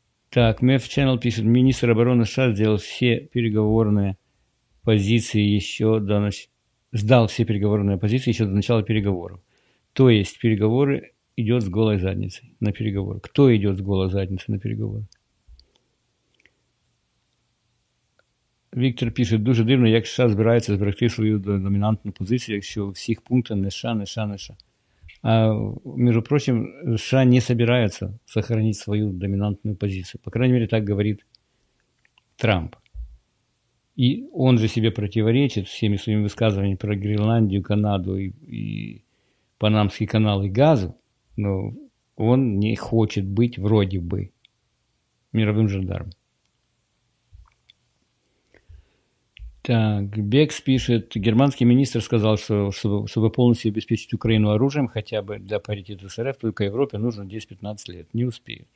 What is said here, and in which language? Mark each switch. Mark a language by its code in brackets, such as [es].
[ru] Так, Мэв Ченнел пишет, министр обороны США сделал все переговорные позиции еще до сдал все переговорные позиции еще до начала переговоров. То есть переговоры идет с голой задницей на переговоры. Кто идет с голой задницей на переговоры? [uk] Виктор пишет, дуже дивно, як США збирається зберегти свою домінантну позицію, якщо всіх пунктів не США, не США, не США. А, між прочим, США не збирається зберегти свою домінантну позицію. [ru] По крайней мере, так говорить Трамп. [uk] І він же себе противоречить всіми своїми висказуваннями про Гренландію, Канаду і Панамський канал і газу. [ru] Но он не хочет быть вроде бы мировым жандармом. Так, Бекс пишет, германский министр сказал, что чтобы полностью обеспечить Украину оружием, хотя бы для паритета с РФ, только Европе нужно 10-15 лет. Не успеют.